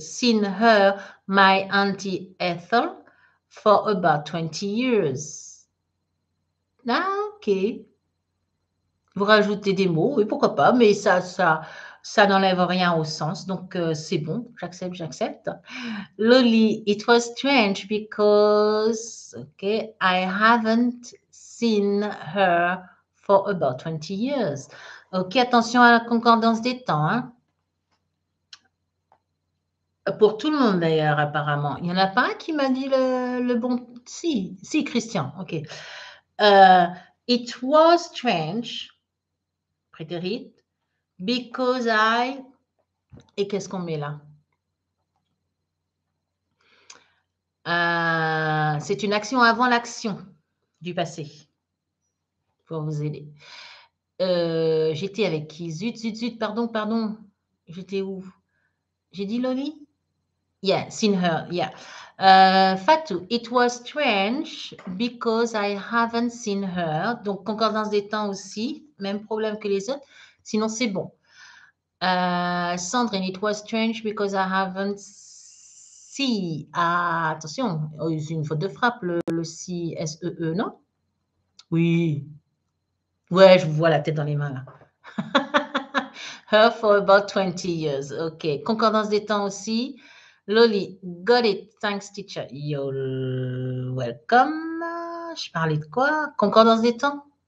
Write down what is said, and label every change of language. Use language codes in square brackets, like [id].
[en] Seen her, my auntie Ethel, for about 20 years. Ah, ok. [fr] Vous rajoutez des mots, oui, pourquoi pas, mais ça n'enlève rien au sens, donc c'est bon, j'accepte. [en] Lolly, it was strange because, ok, I haven't seen her for about 20 years. [fr] Ok, attention à la concordance des temps, hein. Pour tout le monde d'ailleurs, apparemment. Il n'y en a pas un qui m'a dit le bon. Si, Christian, ok. [en] It was strange, [fr] préterite, [en] because I. [fr] Et qu'est-ce qu'on met là? C'est une action avant l'action du passé. Pour vous aider. J'étais avec qui? Zut, pardon. J'étais où? J'ai dit Loli? [en] Yeah, seen her, yeah. Fatou, it was strange because I haven't seen her. [fr] Donc, concordance des temps aussi, même problème que les autres. Sinon, c'est bon. [en] Sandrine, it was strange because I haven't seen. [fr] Ah, attention, c'est une faute de frappe, le si, S-E-E, non? Oui. Ouais, je vois la tête dans les mains, là. [en] Her for about 20 years. OK. [fr] Concordance des temps aussi. Loli, [en] got it. Thanks, teacher. You're welcome. [fr] Je parlais de quoi? Concordance des temps?